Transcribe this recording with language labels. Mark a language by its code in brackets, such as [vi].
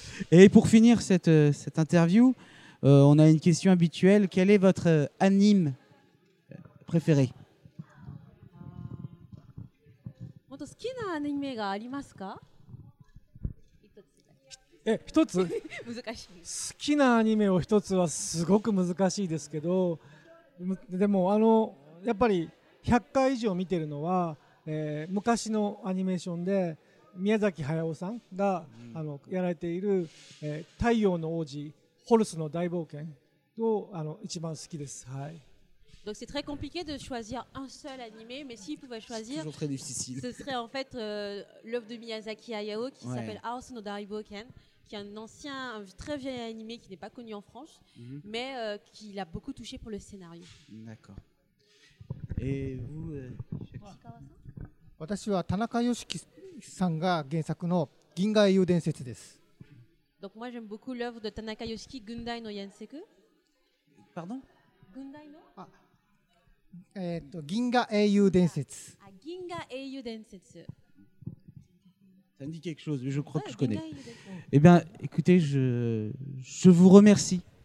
[fr] Et pour finir cette interview, on a une question habituelle. Quel est votre anime préféré? [ja] Moto, 好きなアニメがありますか？え、一つ難しい。好きなアニメを一つはすごく難しいですけど、でもやっぱり100回以上見てるのは、昔のアニメーションで宮崎駿さんが、うん、やられている、太陽の王子ホルスの大冒険を一番好きです。はい。 [fr] Donc c'est très compliqué de choisir un seul animé, mais s'il pouvait choisir, ce serait en fait l'œuvre de Miyazaki Hayao qui s'appelle House no Daiboken, qui est un ancien, un très vieil animé qui n'est pas connu en France, mais qui l'a beaucoup touché pour le scénario. D'accord. Et vous, [ja] Shikawa-san? 私は田中芳樹さんが原作の銀河英雄伝説です。 [fr] Donc moi j'aime beaucoup l'œuvre de Tanaka Yoshiki, Gundai no Yenseku. Pardon? Gundai no? [ja] Ah. 銀河英雄伝説。あ、銀河英雄伝説。 [fr] Ça me dit quelque chose, mais je crois que je connais. Eh bien, écoutez, je vous remercie.